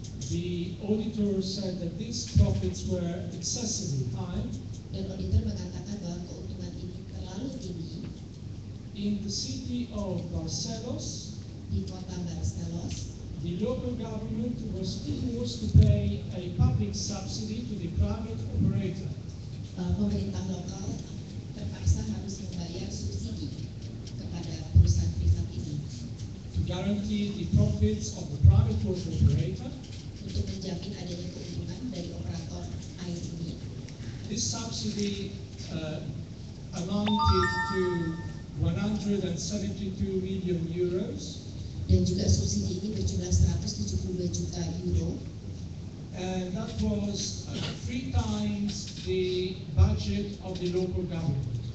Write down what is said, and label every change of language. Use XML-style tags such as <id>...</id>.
<en>The auditor said that these profits were excessively high.</en> <id>Dan auditor mengatakan bahwa keuntungan ini terlalu tinggi.</id> <en>In the city of Barcelos,</en> <id>di kota Barcelos,</id> <en>the local government was forced to pay a public subsidy to the private operator.</en> <id>Pemerintah lokal terpaksa harus membayar subsidi kepada perusahaan privat ini.</id> <en>To guarantee the profits of the private water operator.</en> <id>Untuk menjamin adanya keuntungan dari operator air ini.</id> <en>This subsidy amounted to 172 million euros.</en> <id>Dan juga subsidi ini berjumlah 172 juta euro.</id> <en>And that was three times the budget of the local government.</en>